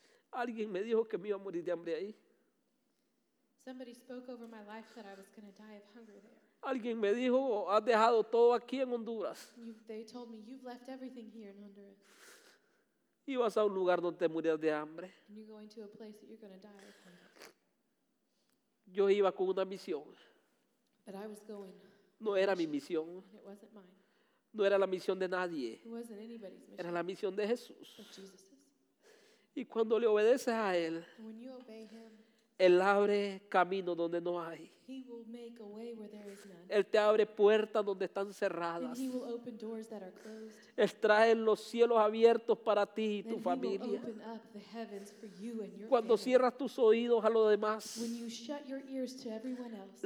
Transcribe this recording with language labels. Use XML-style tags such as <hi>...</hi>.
<es>Alguien me dijo que me iba a morir de hambre ahí.</es> <en>Somebody spoke over my life that I was going to die of hunger there.</en> <es>Alguien me dijo, has dejado todo aquí en Honduras.</es> <en>They told me, you've left everything here in Honduras.</en> <es>Ibas a un lugar donde te murías de hambre.</es> <en>And you're going to a place that you're going to die of hunger.</en> <es>Yo iba con una misión.</es> <en>But I was going.</en> <es>No era mi misión.</es> <en>It wasn't mine.</en> <es>No era la misión de nadie.</es> <en>It wasn't anybody's mission.</en> <es>Era la misión de Jesús.</es> <en>Of Jesus.</en> <es>Y cuando le obedeces a Él,</es> <en>and when you obey Him,</en> <es>Él abre camino donde no hay.</es> <en>He will make a way where there is none.</en> <es>Él te abre puertas donde están cerradas.</es> <en>And he will open doors that are closed.</en> <es>Él trae los cielos abiertos para ti y tu familia.</es> <en>Then he will open up the heavens for you and your</en> <es>Cuando</es> <en>family.</en> <es>Cierras tus oídos a lo demás,</es> <en>when you shut your ears to everyone else,</en>